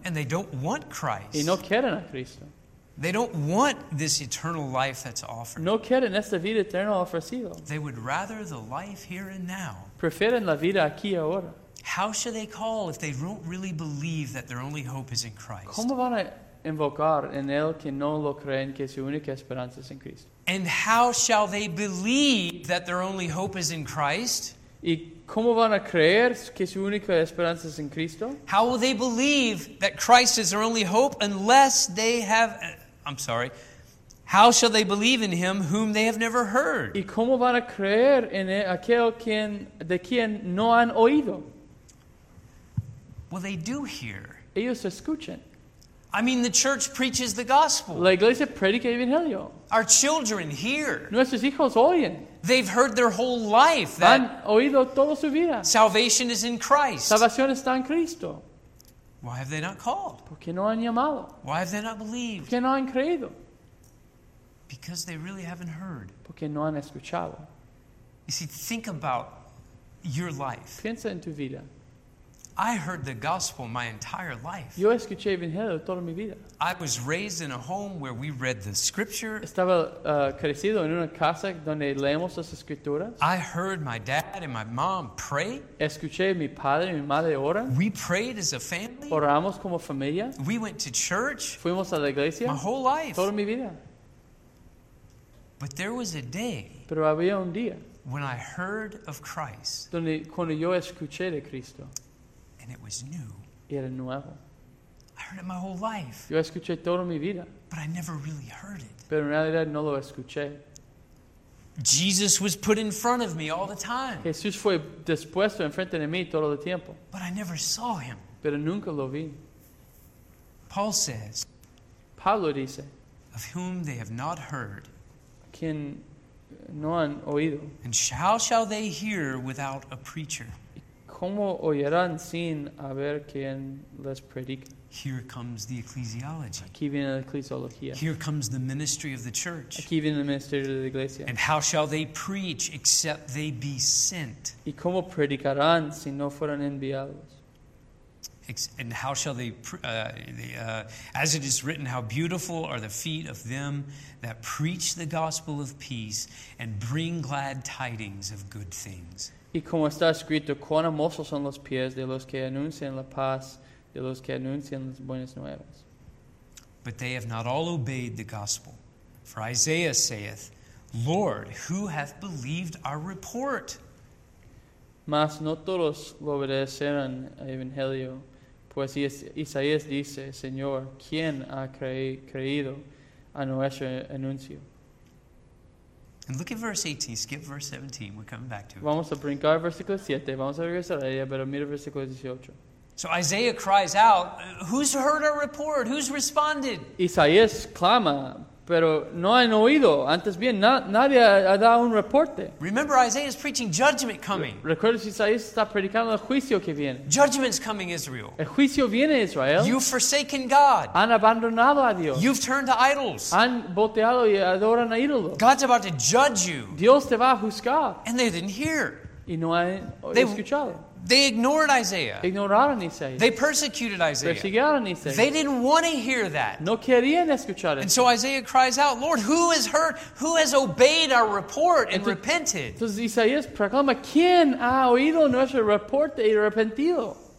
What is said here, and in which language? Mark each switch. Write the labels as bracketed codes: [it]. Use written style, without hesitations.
[en] And they don't want Christ. [es] Y no quieren a Cristo. [en] They don't want this eternal life that's offered. [es] No quieren esta vida eterna ofrecida. [en] They would rather the life here and now. [es] Prefieren la vida aquí y ahora. [en] How should they call if they don't really believe that their only hope is in Christ? [es] ¿Cómo van a invocar en él que no lo creen que su única esperanza es en Cristo? [en] And how shall they believe that their only hope is in Christ? [es] ¿Y cómo van a creer que su única esperanza es en Cristo? [en] How will they believe that Christ is their only hope unless they have... I'm sorry. How shall they believe in him whom they have never heard? [es] ¿Y cómo van a creer en aquel quien, de quien no han oído? [en] Well, they do hear. [es] Ellos escuchan. [en] I mean, the church preaches the gospel. [es] La iglesia predica el evangelio. [en] Our children hear. [es] Nuestros hijos oyen. [en] They've heard their whole life that [es] han oído toda su vida. [en] Salvation is in Christ. [es] Salvación está en Cristo. [en] Why have they not called? [es] ¿Por qué no han llamado? [en] Why have they not believed? [es] ¿Por qué no han creído? [en] Because they really haven't heard. [es] Porque no han escuchado. [en] You see, think about your life. [es] Piensa en tu vida. [en] I heard the gospel my entire life. [es] Yo escuché evangelio toda mi vida. [en] I was raised in a home where we read the scripture. [es] Estaba crecido en una casa donde leemos las escrituras. [en] I heard my dad and my mom pray. [es] Escuché mi padre y mi madre orar. [en] We prayed as a family. [es] Oramos como familia. [en] We went to church. [es] Fuimos a la iglesia. [en] My whole life. [es] Toda mi vida. [en] But there was a day. [es] Pero había un día. [en] When I heard of Christ. [es] Donde cuando yo escuché de Cristo. [en] And it was new. [es] Era nuevo. [en] I heard it my whole life. [es] Yo escuché toda mi vida. [en] But I never really heard it. [es] Pero en realidad no lo escuché. [en] Jesus was put in front of me all the time. [es] Jesús fue dispuesto enfrente de mí todo el tiempo. [en] But I never saw him. [es] Pero nunca lo vi. [en] Paul says. [es] Pablo dice. [en] Of whom they have not heard. [es] Quien no han oído. [en] And how shall they hear without a preacher? [es] ¿Cómo oyerán sin haber quien les predique? [en] Here comes the ecclesiology. [es] Aquí viene la eclesiología. [en] Here comes the ministry of the church. [es] Aquí viene el ministerio de la iglesia. [en] And how shall they preach except they be sent? [es] ¿Y cómo predicarán si no fueron enviados? [en] And how shall they, as it is written, how beautiful are the feet of them that preach the gospel of peace and bring glad tidings of good things. [es] Y como está escrito, cuán hermosos son los pies de los que anuncian la paz, de los que anuncian las buenas nuevas. [en] But they have not all obeyed the gospel. For Isaiah saith, Lord, who hath believed our report? [es] Mas no todos lo obedecerán a evangelio. Pues Isaías dice, Señor, ¿quién ha creído a nuestro anuncio? [en] And look at verse 18. Skip verse 17. We're coming back to it. [es] Vamos a brincar versículo 7. Vamos a regresar a ella, pero mira versículo 18. [en] So Isaiah cries out, who's heard our report? Who's responded? [es] Isaías clama, pero no han oído. Antes bien, nadie ha dado un reporte. [en] Remember, Isaiah is preaching judgment coming. [es] Recuerda que Isaías está predicando el juicio que viene. [en] Judgment's coming, Israel. [es] El juicio viene, Israel. [en] You've forsaken God. [es] Han abandonado a Dios. [en] You've turned to idols. [es] Han volteado y adoran a ídolos. [en] God's about to judge you. [es] Dios te va a juzgar. [en] And they didn't hear. [es] Y no han escuchado. [en] They ignored Isaiah. [es] Ignoraron Isaías. [en] They persecuted Isaiah. [es] Persiguieron Isaías. [en] They didn't want to hear that. [es] No querían escuchar eso. [en] And so Isaiah cries out, Lord, who has heard, who has obeyed our report and repented? [es] Entonces Isaías proclama, ¿quién ha oído nuestro reporte y arrepentido?